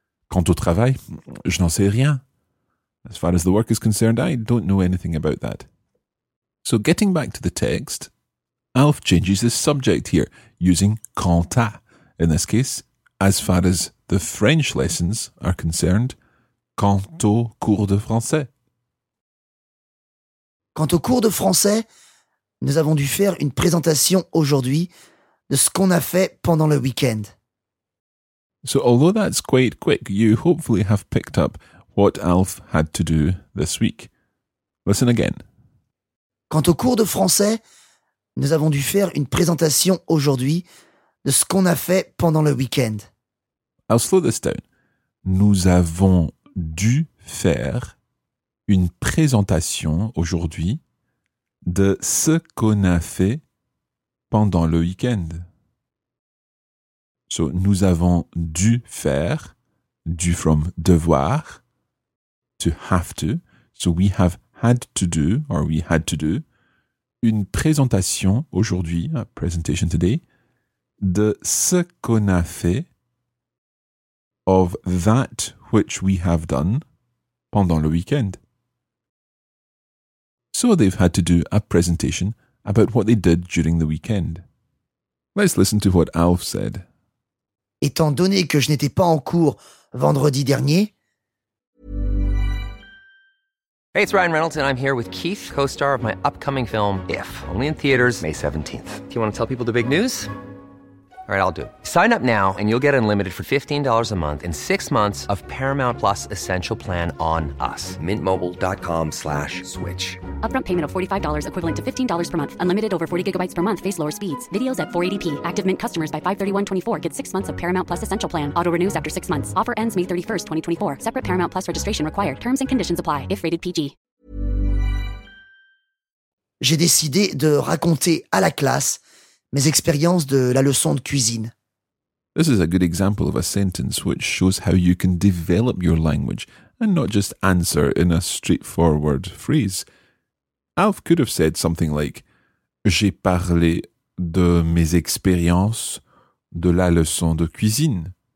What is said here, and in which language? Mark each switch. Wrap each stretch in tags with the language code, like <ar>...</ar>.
<fr>Quant au travail, je n'en sais rien.</fr> <en>As far as the work is concerned, I don't know anything about that. So getting back to the text, Alf changes the subject here, using quant à. In this case, as far as the French lessons are concerned,</en> <fr>quant au cours de français. Quant au cours de français, nous avons dû faire une présentation aujourd'hui de ce qu'on a fait pendant le week-end.</fr> <en>So although that's quite quick, you hopefully have picked up what Alf had to do this week. Listen again.</en> <fr>Quant au cours de français, nous avons dû faire une présentation aujourd'hui de ce qu'on a fait pendant le week-end.</fr> <en>I'll slow this down.</en> <fr>Nous avons dû faire une présentation aujourd'hui de ce qu'on a fait pendant le week-end.</fr> <en>So,</en> <fr>nous avons dû faire,</fr> <en>dû from devoir, to have to. So, we have had to do, or we had to do,</en> <fr>une présentation aujourd'hui,</fr> <en>a presentation today,</en> <fr>de ce qu'on a fait,</fr> <en>of that which we have done,</en> <fr>pendant le week-end.</fr> <en>So, they've had to do a presentation about what they did during the weekend. Let's listen to what Alf said.</en> <fr>Étant donné que je n'étais pas en cours vendredi dernier.</fr> <en>Hey, it's Ryan Reynolds, and I'm here with Keith, co-star of my upcoming film, If, only in theaters May 17th. Do you want to tell people the big news? All right, I'll do. Sign up now and you'll get unlimited for $15 a month and 6 months of Paramount Plus Essential Plan on us. Mintmobile.com/switch. Upfront payment of $45 equivalent to $15 per month. Unlimited over 40 gigabytes per month. Face lower speeds. Videos at 480p. Active Mint customers by 531.24 get 6 months of Paramount Plus Essential Plan. Auto renews after 6 months. Offer ends May 31st, 2024. Separate Paramount Plus registration required. Terms and conditions apply if rated PG.</en> <fr>J'ai décidé de raconter à la classe mes expériences de la leçon de cuisine.</fr> <en>This is a good example of a sentence which shows how you can develop your language and not just answer in a straightforward phrase. Alf could have said something like,</en> <fr>j'ai parlé de mes expériences de la leçon de cuisine.</fr>